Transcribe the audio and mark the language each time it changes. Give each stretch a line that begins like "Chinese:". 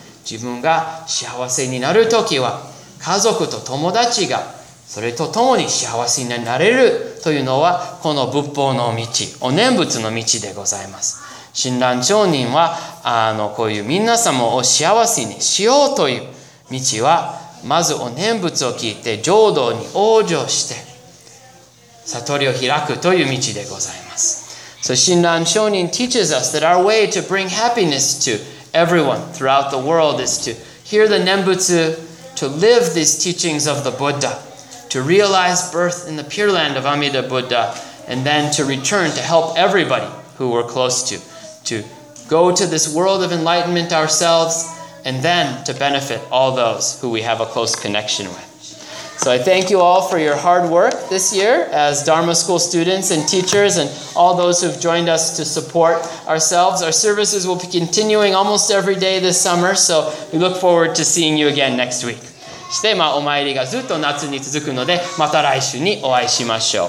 Japanese: 自分が幸せになるときは家族と友達がそれと共に幸せになれるというのはこの仏法の道、お念仏の道でございます。診断長人はこういう皆様を幸せにしようという道は、まずお念仏を聞いて浄土に往生して悟りを開くという道でございます。
English: So 親鸞聖人 teaches us that our way to bring happiness to everyone throughout the world is to hear the 念仏, to live these teachings of the Buddha, to realize birth in the Pure Land of Amida Buddha, and then to return to help everybody who we're close to go to this world of enlightenment ourselves, and then to benefit all those who we have a close connection with. So I thank you all for your hard work this year as Dharma School students and teachers and all those who've joined us to support ourselves. Our services will be continuing almost every day this summer, so we look forward to seeing you again next week.
Japanese: して、まあ、お参りがずっと夏に続くので、また来週にお会いしましょう。